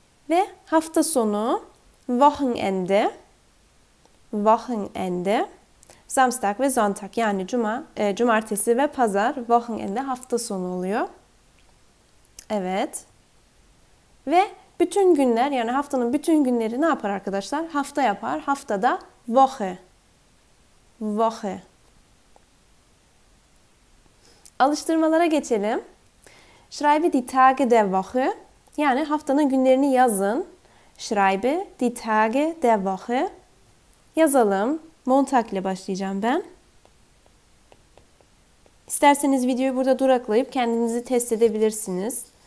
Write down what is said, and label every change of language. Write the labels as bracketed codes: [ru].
[tr] Ve hafta sonu Wochenende, Wochenende, Samstag ve Sonntag, yani cumartesi ve pazar Wochenende hafta sonu oluyor. Evet. Ve bütün günler, yani haftanın bütün günleri ne yapar arkadaşlar? Hafta yapar. Haftada Woche. Woche. Alıştırmalara geçelim. [de] Schreibe die Tage der Woche. [tr] Yani haftanın günlerini yazın. [de] Schreibe die Tage der Woche. [tr] Yazalım. Montag ile başlayacağım ben. İsterseniz videoyu burada duraklayıp kendinizi test edebilirsiniz.